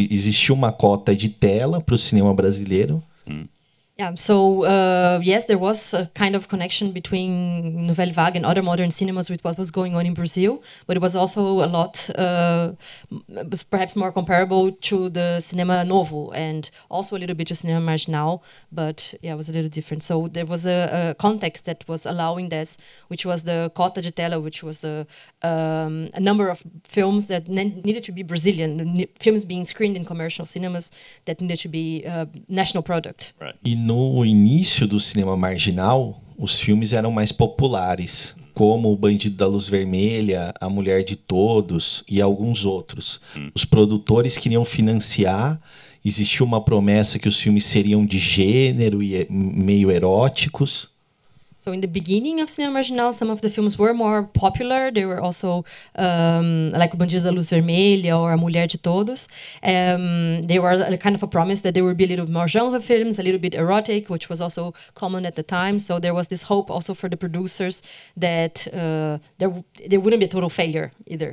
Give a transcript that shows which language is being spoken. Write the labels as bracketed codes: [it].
[pt] Existia uma cota de tela para o cinema brasileiro. [en] Yeah, so yes, there was a kind of connection between Nouvelle Vague and other modern cinemas with what was going on in Brazil, but it was also a lot, was perhaps more comparable to the Cinema Novo and also a little bit to Cinema Marginal, but yeah, it was a little different. So there was a context that was allowing this, which was the cota de tela, which was a number of films that needed to be Brazilian, films being screened in commercial cinemas that needed to be a national product. Right. [pt] No início do cinema marginal, os filmes eram mais populares, como O Bandido da Luz Vermelha, A Mulher de Todos e alguns outros. Os produtores queriam financiar, existia uma promessa que os filmes seriam de gênero e meio eróticos. [en] So in the beginning of Cinema Marginal, some of the films were more popular. They were also like O Bandido da Luz Vermelha or A Mulher de Todos. They were a kind of a promise that there would be a little more genre films, a little bit erotic, which was also common at the time. So there was this hope also for the producers that there wouldn't be a total failure either.